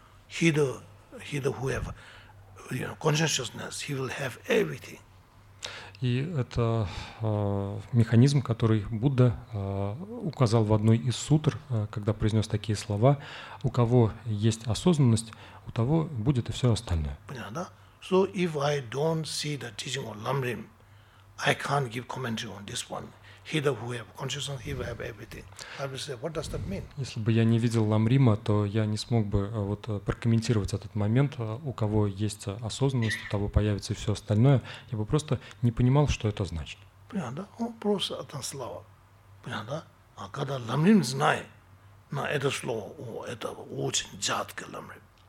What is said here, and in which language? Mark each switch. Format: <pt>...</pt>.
<en>He the who have you know, consciousness, he will have everything.</en> <ru>И это механизм, который Будда указал в одной из сутр, когда произнес такие слова: у кого есть осознанность, у того будет и все остальное. Понятно, да?</ru> <en>So if I don't see the teaching of Lamrim, I can't give commentary on this one. He the who have consciousness, he will have everything. I will say, what does that mean?</en> <ru>Если бы я не видел Ламрима, то я не смог бы вот прокомментировать этот момент. У кого есть осознанность, у того появится и все остальное. Я бы просто не понимал, что это значит. Понятно, да? Он просто это слово. Понятно, да? А когда Ламрим знает на это слово, о, это очень дядка Ламрим.</ru>